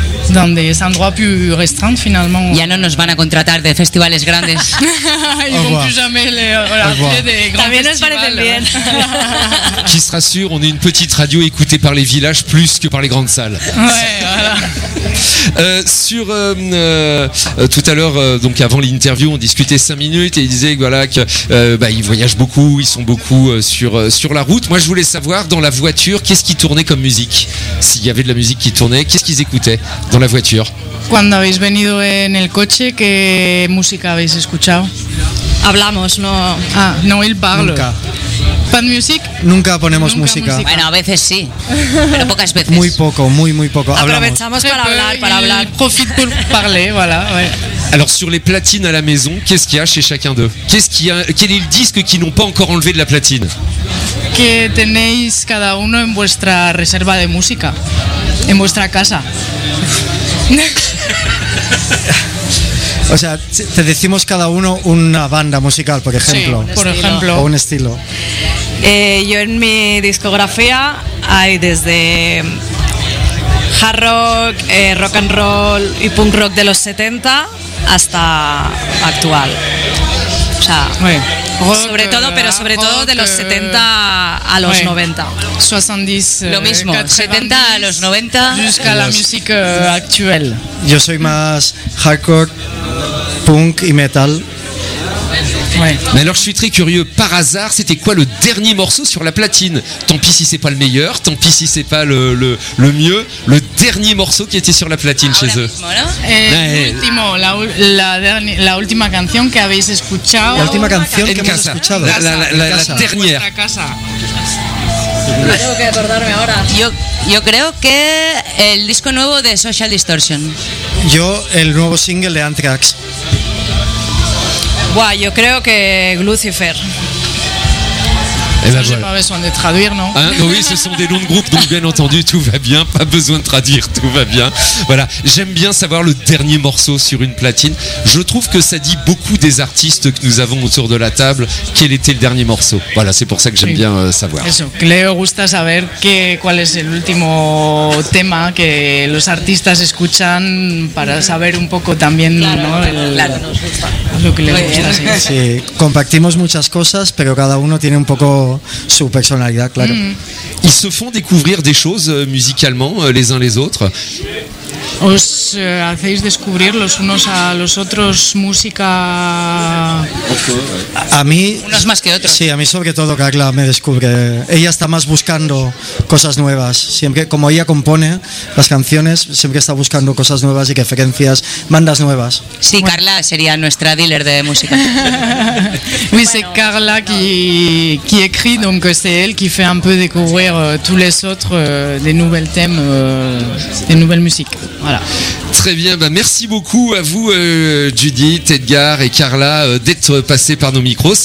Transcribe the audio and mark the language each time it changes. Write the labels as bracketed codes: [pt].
[fr] Dans des endroits plus restreints, finalement. [es] Ya no nos van a contratar de festivales grandes. También nos parecen bien. [fr] Qui sera sûr, on est une petite radio écoutée par les villages plus que par les grandes salles. Ouais, voilà. Tout à l'heure, donc avant l'interview, on discutait 5 minutes et il disait voilà, qu'ils voyagent beaucoup, ils sont beaucoup sur la route. Moi, je voulais savoir, dans la voiture, qu'est-ce qui tournait comme musique? S'il y avait de la musique qui tournait, qu'est-ce qu'ils écoutaient dans la voiture? [es] Cuando habéis venido en el coche, ¿qué música habéis escuchado? Hablamos, no. Ah, no, él parla. Nunca. ¿Pan music? Nunca ponemos música. Bueno, a veces sí, pero pocas veces. Muy poco, muy, muy poco. Aprovechamos hablamos. para hablar. [fr] Profite pour parler, voilà. Ouais. Alors, sur les platines à la maison, qu'est-ce qu'il y a chez chacun d'eux? Quel est le disque qu'ils n'ont pas encore enlevé de la platine? [es] Que tenéis cada uno en vuestra reserva de música, en vuestra casa. O sea, te decimos cada uno una banda musical, por ejemplo. Sí, por ejemplo. O un estilo. Yo en mi discografía hay desde hard rock, rock and roll y punk rock de los 70 hasta actual. O sea, sobre todo de los 70 a los 90. 70, lo mismo, 70 a los 90. Busca la música actual. Yo soy más hardcore, punk y metal. [fr] Ouais. Mais alors je suis très curieux, par hasard, c'était quoi le dernier morceau sur la platine? Tant pis si c'est pas le meilleur, tant pis si c'est pas le mieux, le dernier morceau qui était sur la platine [es] ahora [fr] chez eux. [es] Mismo, ¿no? Último, la última canción que habéis escuchado. La última canción que hemos escuchado. [fr] La dernière. [es] Tengo que acordarme ahora. Yo creo que el disco nuevo de Social Distortion. Yo el nuevo single de Anthrax. Buah, yo creo que Lucifer. [fr] Eh ben voilà. J'ai pas besoin de traduire, non? Hein? Oh oui, ce sont des noms de groupes, donc bien entendu, tout va bien, pas besoin de traduire, tout va bien. Voilà, j'aime bien savoir le dernier morceau sur une platine. Je trouve que ça dit beaucoup des artistes que nous avons autour de la table, quel était le dernier morceau. Voilà, c'est pour ça que j'aime bien savoir. [es] Eso, Cleo gusta saber cuál es el último tema que los artistas escuchan para saber un poco también, claro, ¿no? Claro, nos gusta. Lo que les gusta, sí. Sí, compartimos muchas cosas, pero cada uno tiene un poco su personalidad, claro. [fr] Ils se font découvrir des choses musicalement les uns les autres. [es] os hacéis descubrir los unos a los otros música. A mí. Unos más que otros. Sí, a mí sobre todo Carla me descubre. Ella está más buscando cosas nuevas. Siempre, como ella compone las canciones, siempre está buscando cosas nuevas y referencias, bandas nuevas. Sí, bueno. Carla sería nuestra dealer de música. [fr] Oui, c'est Carla qui écrit, donc c'est elle qui fait un peu découvrir tous les autres des nouveaux thèmes, des nouvelles musiques. Voilà. Très bien, bah merci beaucoup à vous Judith, Edgar et Carla d'être passés par nos micros.